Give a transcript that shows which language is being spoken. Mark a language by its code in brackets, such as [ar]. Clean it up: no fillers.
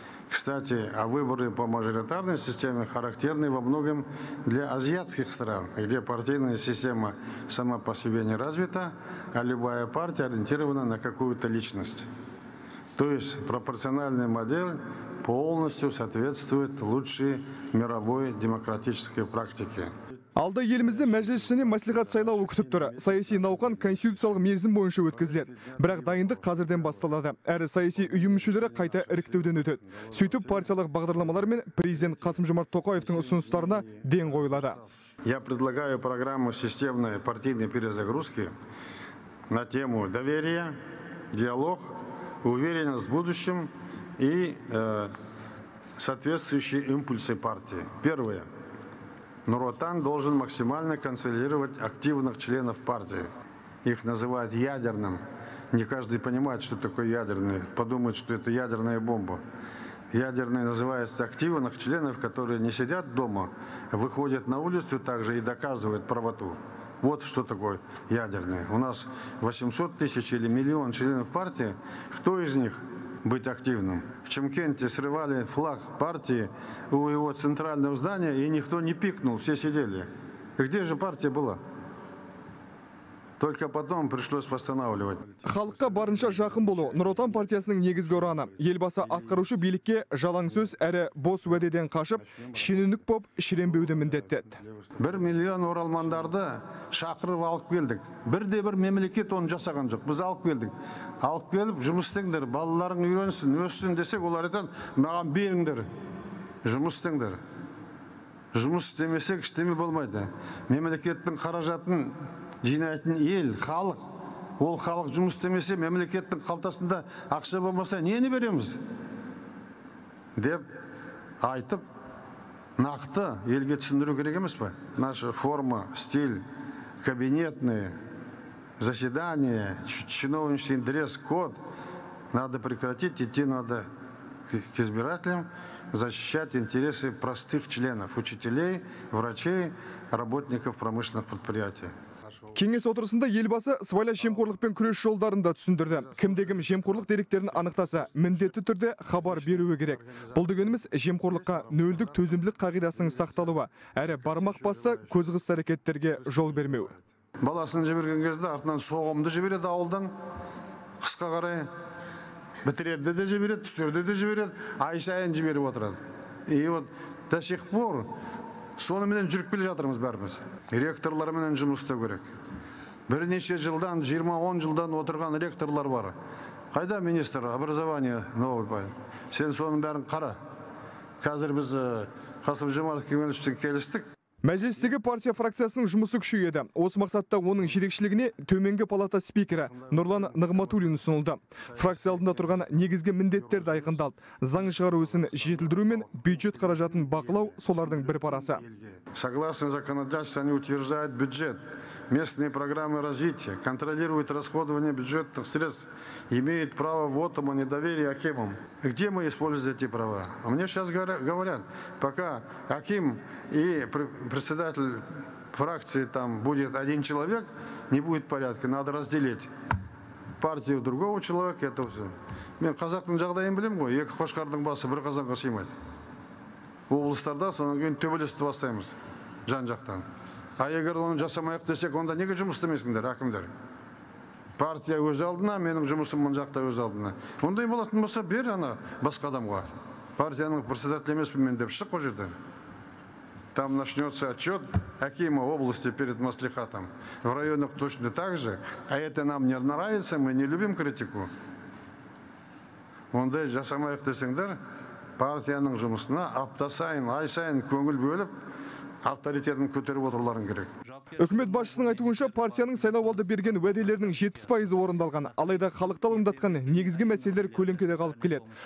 [ru] Кстати, а выборы по мажоритарной системе характерны во многом для азиатских стран, где партийная система сама по себе не развита, а любая партия ориентирована на какую-то личность. То есть пропорциональная модель полностью соответствует лучшей мировой демократической практике. [kk] Алда елімізді мәжіліс және мәслихат сайлауы күтіп тұр. Саяси науқан конституциялық мерзім бойынша өткізіледі. Бірақ дайындық қазірден басталады. Әрі саяси ұйым мүшелері қайта іріктеуден өтеді. Сөйтіп партиялық бағдарламалар мен президент Қасым Жомарт Тоқаевтың ұсыныстарына ден қойылады. [ru] Я предлагаю программу системной партийной перезагрузки на тему доверия, диалог, уверенность в будущем и соответствующие импульсы партии. Первое. Нұр Отан должен максимально консолидировать активных членов партии. Их называют ядерным. Не каждый понимает, что такое ядерный. Подумает, что это ядерная бомба. Ядерные называются активных членов, которые не сидят дома, выходят на улицу также и доказывают правоту. Вот что такое ядерные. У нас 800 тысяч или миллион членов партии. Кто из них быть активным? В Чимкенте срывали флаг партии у его центрального здания, и никто не пикнул, все сидели. Где же партия была? Только потом пришлось восстанавливать. [kk] Халыққа барынша жақын болу Нұр Отан партиясының негізгі ұраны. Елбасы атқарушы билікке жалаң сөз әрі бос уәдеден қашып, шенеунік боп шіренбеуді міндеттеді. 1 миллион оралмандарды шақырып алып келдік. Бірде бір мемлекет оны жасаған жоқ. Біз алып келдік. Алып келіп, жұмыс істеңдер, балаларың үйренсін, өссін десек, олар айтады, маған беріңдер, жұмыс істеңдер. Жұмыс істемесек, ештеңе болмайды. Мемлекеттің қаражатын жинайтын ел, халық, ол халық жұмыс істемесе, мемлекеттің қалтасында ақша болмаса, нені береміз? Деп айтып, нақты елге түсіндіру керек емес пе? [ru] Наша форма, стиль, кабинетные заседания, чиновничный дресс-код надо прекратить, идти надо к избирателям, защищать интересы простых членов, учителей, врачей, работников промышленных предприятий. [kk] Кеңес отырысында елбасы сыбайлас жемқорлықпен күрес жолдарын да түсіндірді. Кімде-кім жемқорлық деректерін анықтаса, міндетті түрде хабар беруі керек. Бұл дегеніміз жемқорлыққа нөлдік төзімділік қағидасының сақталуы, әрі бармақ басты көзғыс әрекеттерге жол бермеу. Баласын жіберген кезде артынан соғымды жібереді ауылдан, қысқа қарай бітірерді де жібереді, түстерді де жібереді, ай сайын жіберіп отырады. [ru] И вот до сих пор [kk] соныменен жүріп келе жатырмыз бәріміз. Ректорларыменен жұмыс істеу керек. Бірнеше жылдан, 20-10 жылдан отырған ректорлар бар. Хайда [ru] министр образования новый парень. [kk] Сен соның бәрін қара. Қазір біз Қасым Жомарт Кемелевичті келістік. Мәжілістегі партия фракциясының жұмысы күшейеді. Осы мақсатта оның жетекшілігіне төменгі палата спикері Нұрлан Нығматулин ұсынылды. Фракция алдында тұрған негізгі міндеттерді айқындалды. Заң шығару ісін жетілдіру мен бюджет қаражатын бақылау солардың бір парасы. [ru] Согласно законодательству, они утверждают бюджет, местные программы развития, контролируют расходование бюджетных средств, имеют право вотума недоверия акимам. Где мы используем эти права? А мне сейчас говорят, пока аким и председатель фракции там будет один человек, не будет порядка, надо разделить партию другого человека, это все. [kk] Мен қазақтың жағдайын білем ғой, екі қошқардың басы бір қазанға сыймайды. Облыстарда сонан кейін төбелесті бастаймыз жан жақтан. А егер оны жасамайық десек, онда неге жұмыс істемейсіңдер, әкімдер? Партия өз алдына, менің жұмысым мұн жақта өз алдына. Ондай болатын болса, бер ана басқа адамға. Партияның председателі емеспін мен деп шық ол жерден. [ru] Там начнется отчет акима области перед маслихатом. В районах точно так же. А это нам не нравится, мы не любим критику. [kk] Ондай жасамайық десеңдер, партияның жұмысына апта сайын, ай сайын көңіл бөліп, авторитетін көтеріп отырларын керек. Үкімет басшысының айтуынша, партияның сайлау алды берген уәделерінің 70% орындалған. Алайда халықты алаңдатқан негізгі мәселелер көлеңкеде қалып келеді.